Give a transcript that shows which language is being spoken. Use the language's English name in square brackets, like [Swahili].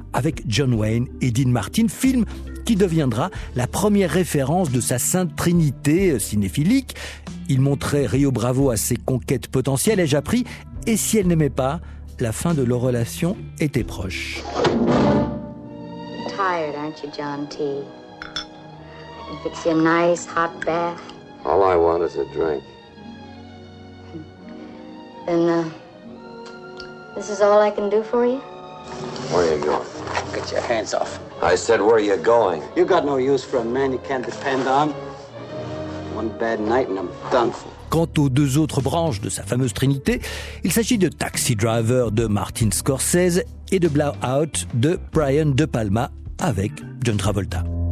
[French] avec John Wayne et Dean Martin, film qui deviendra la première référence de sa sainte trinité cinéphilique. Il montrait Rio Bravo à ses conquêtes potentielles, ai-je appris, et si elle n'aimait pas, la fin de leur relation était proche. [English] Tired, aren't you, John T? I can fix you a nice hot bath. All I want is a drink. Then, this is all I can do for you? Where are you going? Get your hands off. I said, where are you going? You got no use for a man you can't depend on. One bad night and I'm done for. [French] Quant aux deux autres branches de sa fameuse trinité, il s'agit de Taxi Driver de Martin Scorsese et de Blowout de Brian De Palma avec John Travolta.